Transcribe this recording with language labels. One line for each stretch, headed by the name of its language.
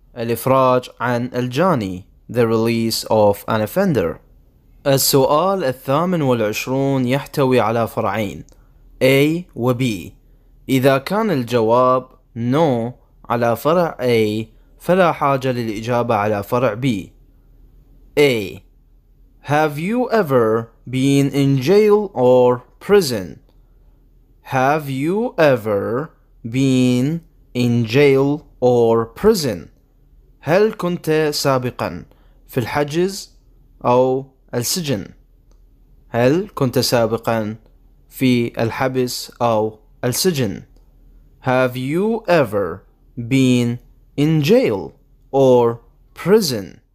Arabic: الإفراج عن الجاني.
English: The release of an offender.
Arabic: السؤال 28 يحتوي على فرعين A و B. إذا كان الجواب no على فرع A فلا حاجة للإجابة على فرع B.
English: A. Have you ever been in jail or prison? Have you ever been in jail or prison?
Arabic: هل كنت سابقا في الحجز أو السجن؟ هل كنت سابقا في الحبس أو السجن؟
English: Have you ever been in jail or prison?